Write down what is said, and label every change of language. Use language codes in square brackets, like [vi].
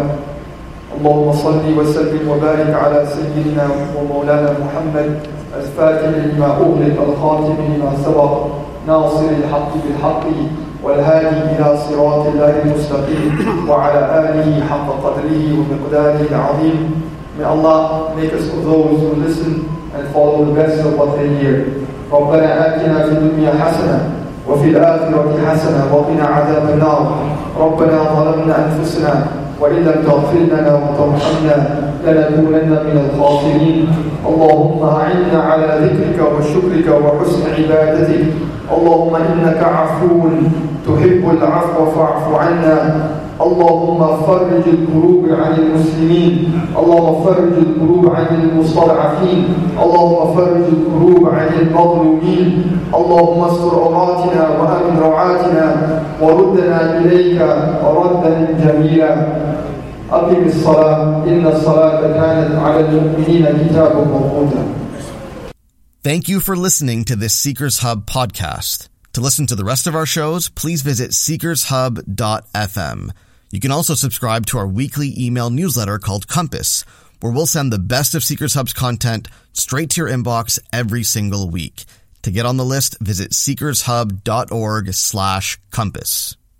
[ar] اللهم صل وسلم وبارك على سيدنا ومولانا محمد الفاتح لما أغلق الخاتم لما سبق ناصر الحق بالحق والهادي إلى صراط الله المستقيم وعلى آله حق قدره ومقداره العظيم. [en] May Allah make us of those who listen and follow the best of what they hear. [ar] ربنا آتنا في الدنيا حسنة وفي الآخرة حسنة وقنا عذاب النار. ربنا ظلمنا أنفسنا وإن لم تغفر لنا وترحمنا لنكونن من الخاسرين. اللهم أعنا على ذكرك وشكرك وحسن عبادتك. اللهم إنك عفو تحب العفو فاعف عنا. اللهم فرج الكروب عن المسلمين. اللهم فرج الكروب عن المستضعفين. اللهم فرج الكروب عن المظلومين. اللهم استر عوراتنا وأمن روعاتنا وردنا إليك ردا جميلا. أقم الصلاة إن الصلاة كانت على المؤمنين كتابا موقوتا. [en] Thank you for listening to this Seekers Hub podcast. To listen to the rest of our shows, please visit seekershub.fm. You can also subscribe to our weekly email newsletter called Compass, where we'll send the best of Seekers Hub's content straight to your inbox every single week. To get on the list, visit seekershub.org/compass.